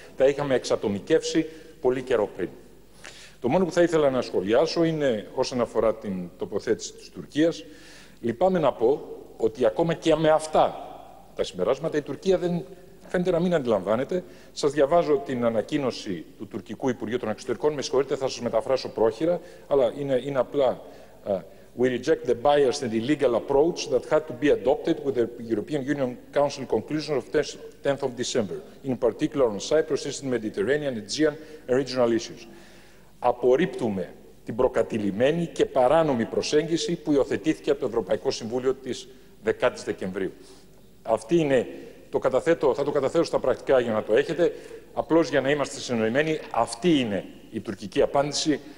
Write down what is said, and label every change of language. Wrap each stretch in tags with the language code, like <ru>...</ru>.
<el>Τα είχαμε εξατομικεύσει πολύ καιρό πριν. Το μόνο που θα ήθελα να σχολιάσω είναι όσον αφορά την τοποθέτηση της Τουρκίας. Λυπάμαι να πω ότι ακόμα και με αυτά τα συμπεράσματα η Τουρκία δεν φαίνεται να μην αντιλαμβάνεται. Σας διαβάζω την ανακοίνωση του τουρκικού Υπουργείου των Εξωτερικών. Με συγχωρείτε, θα σας μεταφράσω πρόχειρα, αλλά είναι απλά.</el> <en>We reject the biased and illegal approach that had to be adopted with the European Union Council conclusion of 10th of December, in particular on Cyprus, Eastern Mediterranean, Aegean and regional issues.</en> <el>Απορρίπτουμε την προκατηλημένη και παράνομη προσέγγιση που υιοθετήθηκε από το Ευρωπαϊκό Συμβούλιο της 10ης Δεκεμβρίου. Αυτή είναι. Θα το καταθέσω στα πρακτικά για να το έχετε. Απλώς για να είμαστε συνοημένοι, αυτή είναι η τουρκική απάντηση.</el>